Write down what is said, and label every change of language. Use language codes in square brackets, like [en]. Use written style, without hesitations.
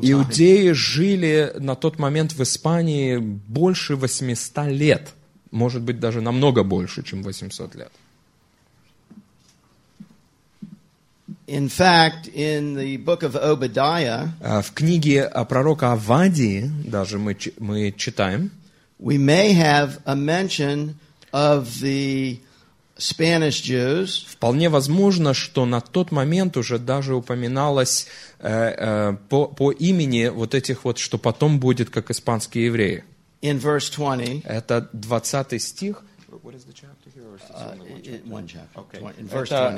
[ru] Иудеи жили на тот момент в Испании больше 800 лет, может быть, даже намного больше, чем 800 лет. [en] In fact, in the book of Obadiah, [ru] в книге пророка Авадии даже мы читаем, [en] we may have a mention of the Spanish Jews. [ru] Вполне возможно, что на тот момент уже даже упоминалось по имени вот этих вот, что потом будет как испанские евреи. [en] In verse 20. [ru] Это 20 стих. [en] What is the chapter here? Or is it only one chapter? One chapter. Okay. In verse 20.